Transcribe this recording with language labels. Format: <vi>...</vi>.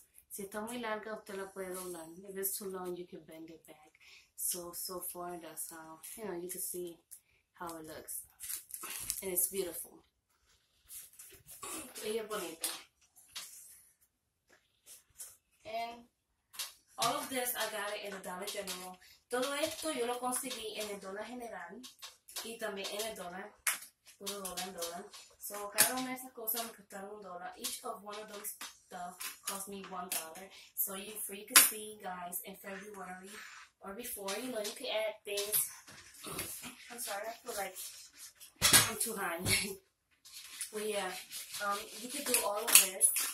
<es>Si está muy larga, usted la puede doblar.</es> <en>If it's too long, you can bend it back. So far, that's how, you know, you can see how it looks. And it's beautiful.</en> <es>Ella es bonita.</es> <en>And all of this I got in Dollar General.</en> <es>Todo esto yo lo conseguí en el Dollar General y también en el Dollar, puro dólar, dólar. So, cada una de esas cosas me costaron $1.</es> <en>Each of one of those stuff cost me $1. So, you can see, guys, in February or before, you know, you can add things. I'm sorry, I feel like I'm too high. But yeah, you can do all of this.</en>